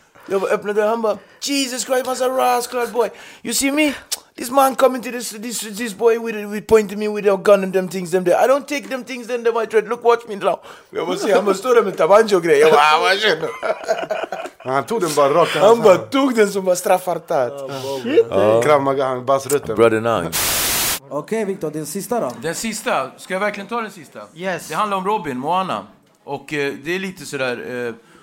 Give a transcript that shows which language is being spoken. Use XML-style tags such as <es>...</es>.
<sv>Jag bara, öppnar dörren. Han bara,</sv> <en>Jesus Christ, massa rascal boy. You see me? This man coming to this boy with pointing me with a gun and them things them there. I don't take them things them there, my dread. Look, watch me now.</en> <sv>Jag bara, se, han bara, stod där med tabanjo grej. Jag bara, vad känner du? Han tog den bara rakt. Han bara, tog den som bara straffartat. Krav maga, han bara srutt.</sv> <en>Brother now.</en> <sv>Okej, Victor, den sista då? Den sista. Ska jag verkligen ta den sista?</sv> <en>Yes.</en> <sv>Det handlar om Robin, Moana. Och det är lite sådär...</sv>